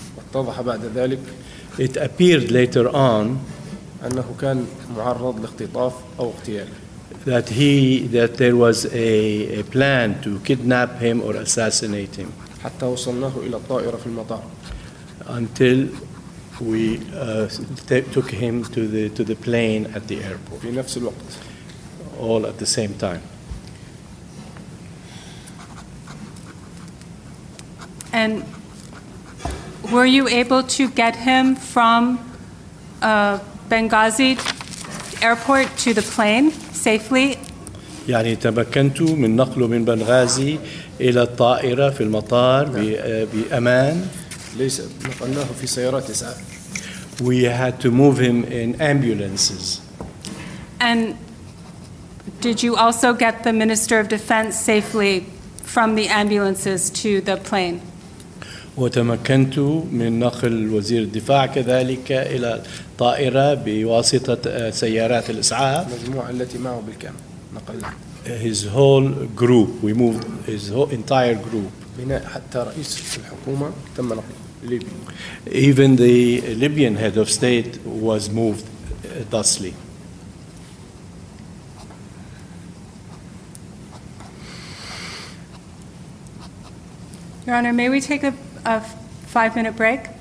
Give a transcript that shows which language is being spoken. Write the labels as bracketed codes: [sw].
[ar] اتضح بعد ذلك. [en] It appeared later on [ar] أنه كان معرض لاختطاف أو اغتيال. [en] That there was a plan to kidnap him or assassinate him. [ar] حتى وصلناه إلى الطائرة في المطار. [en] Until we took him to the plane at the airport. [ar] في نفس الوقت. [en] All at the same time. And were you able to get him from Benghazi airport to the plane? Safely. [ar] يعني تمكنت من نقله من بنغازي إلى الطائرة في المطار بأمان. ليس نقلناه في سيارات إسعاف. [en] We had to move him in ambulances. And did you also get the Minister of Defense safely from the ambulances to the plane? [ar] وتمكنت من نقل وزير الدفاع كذلك إلى طائرة بواسطة سيارات الإسعاف. المجموعة التي معه بالكامل نقلها. [en] His whole group. We moved his whole entire group. [ar] بناء حتى رئيس الحكومة تم نقله. [en] Libyan. Even the Libyan head of state was moved thusly. Your Honor, may we take a 5-minute break?